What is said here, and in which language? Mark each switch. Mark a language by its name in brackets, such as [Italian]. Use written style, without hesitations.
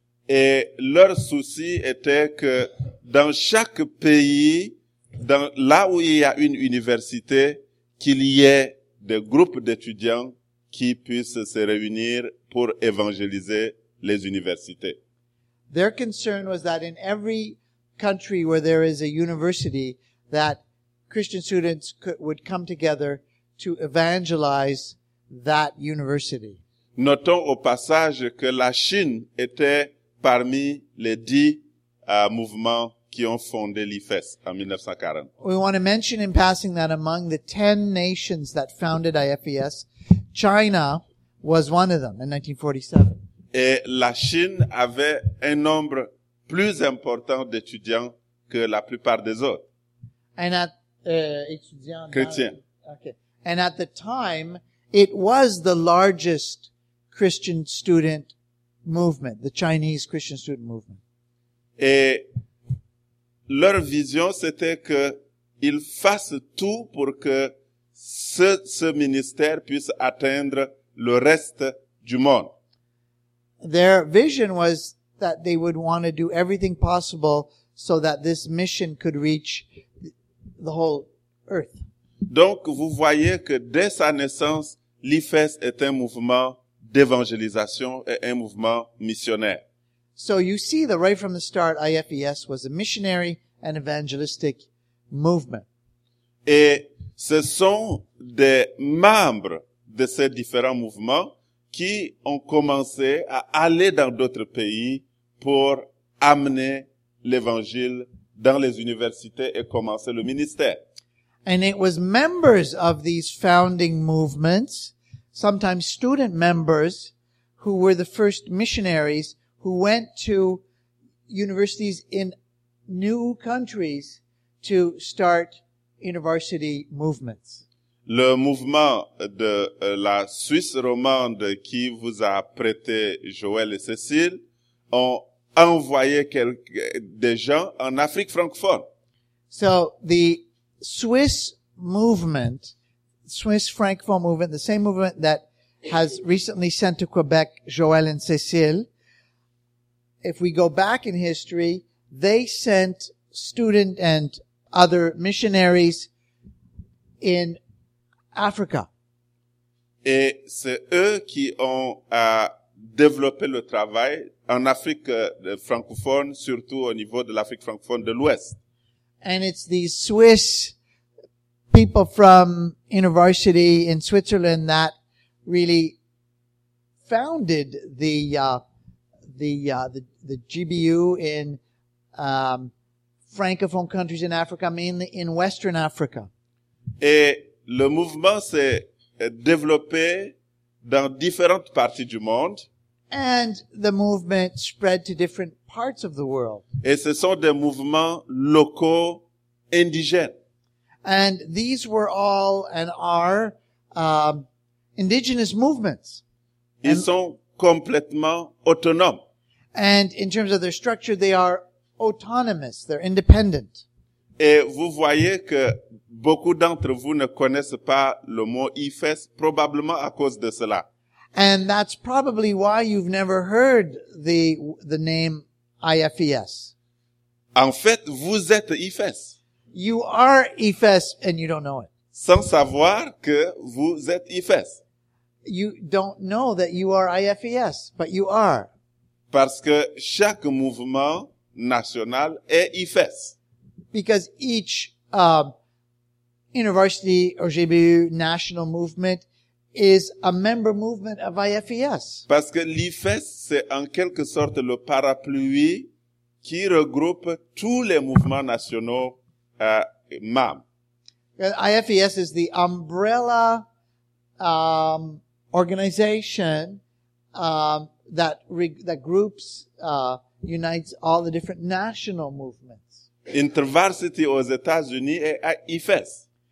[French] Et leur souci était que dans chaque pays, dans là où il y a une université, qu'il y ait des groupes d'étudiants qui puissent se réunir pour évangéliser les universités. [English] Their concern was that in every country where there is a university, that Christian students would come together to evangelize that university. [French] Notons au passage que la Chine était parmi les 10 mouvements qui ont fondé l'IFES en 1940. [English] We want to mention in passing that among the 10 nations that founded IFES, China was one of them in 1947. [French] Et la Chine avait un nombre plus important d'étudiants que la plupart des autres. [English] And at [French] étudiants chrétiens. [English] Okay. And at the time, it was the largest Christian student movement, the Chinese Christian student movement. [French] Et leur vision, c'était que ils fassent tout pour que ce ministère puisse atteindre le reste du monde. [English] Their vision was that they would want to do everything possible so that this mission could reach the whole earth. [French] Donc, vous voyez que dès sa naissance, l'IFES est un mouvement d'évangélisation et un mouvement missionnaire. [English] So you see that right from the start, IFES was a missionary and evangelistic movement. [French] Et ce sont des membres de ces différents mouvements qui ont commencé à aller dans d'autres pays pour amener l'évangile dans les universités et commencer le ministère. [English] And it was members of these founding movements, sometimes student members, who were the first missionaries who went to universities in new countries to start InterVarsity movements. [French] Le mouvement de la Suisse romande qui vous a prêté Joël et Cécile ont envoyé des gens en Afrique francophone. [English] So the Swiss francophone movement, the same movement that has recently sent to Quebec Joël and Cécile. If we go back in history, they sent student and other missionaries in Africa. [French] Et c'est eux qui ont développé le travail en Afrique francophone, surtout au niveau de l'Afrique francophone de l'Ouest. [English] And it's these Swiss people from InterVarsity in Switzerland that really founded the GBU in francophone countries in Africa, mainly in Western Africa. [French] Et le mouvement s'est développé dans différentes parties du monde. [English] And the movement spread to different parts of the world. [French] Et ce sont des mouvements locaux indigènes. [English] And these were all and are indigenous movements. [French] Ils sont complètement autonomes. [English] And in terms of their structure, they are autonomous. They're independent. [French] Et vous voyez que beaucoup d'entre vous ne connaissent pas le mot IFES, probablement à cause de cela. [English] And that's probably why you've never heard the name IFES. [French] En fait, vous êtes IFES. [English] You are IFES and you don't know it. [French] Sans savoir que vous êtes IFES. [English] You don't know that you are IFES, but you are. [French] Parce que chaque mouvement national est IFES. [English] Because each InterVarsity or GBU national movement is a member movement of IFES. [French] Parce que l'IFES, c'est en quelque sorte le parapluie qui regroupe tous les mouvements nationaux [English] IFES is the umbrella organization that unites all the different national movements. [French] InterVarsity aux États-Unis est IFES.